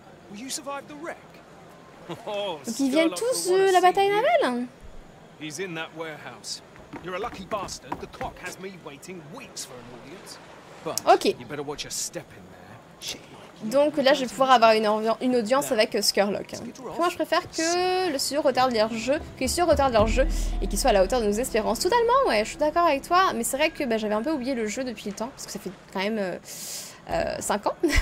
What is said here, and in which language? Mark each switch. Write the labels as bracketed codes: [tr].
[fr] Donc, ils viennent tous de la bataille navale. [en] He's in that warehouse. You're a lucky bastard. The clock has me waiting weeks for an audience. But you better watch your step in there. [fr] Donc là, je vais pouvoir avoir une audience avec Scurlock. Moi, je préfère que le studio retarde leur jeu, qu'ils se retardent leur jeu et qu'ils soient à la hauteur de nos espérances. Totalement, ouais, je suis d'accord avec toi. Mais c'est vrai que bah, j'avais un peu oublié le jeu depuis le temps, parce que ça fait quand même 5 ans.